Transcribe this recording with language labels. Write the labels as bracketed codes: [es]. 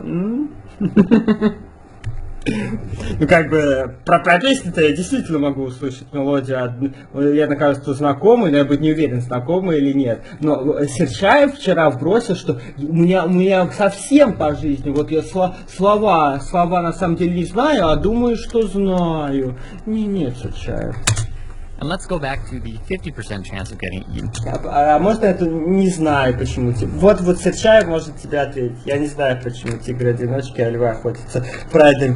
[ru] Ну, как бы, про песню-то я действительно могу услышать мелодию, я, кажется, знакомый, но я бы не уверен, знакомый или нет. Но Серчаев вчера вбросил, что у меня совсем по жизни, вот я слова на самом деле не знаю, а думаю, что знаю. Не-не, Серчаев. [en] And let's go back to the 50% chance of getting eaten. [ru] А может, я тут не знаю, почему тебе... Вот Серчаев может тебе ответить. Я не знаю, почему тигры-одиночки, а львы охотятся в прайдинг.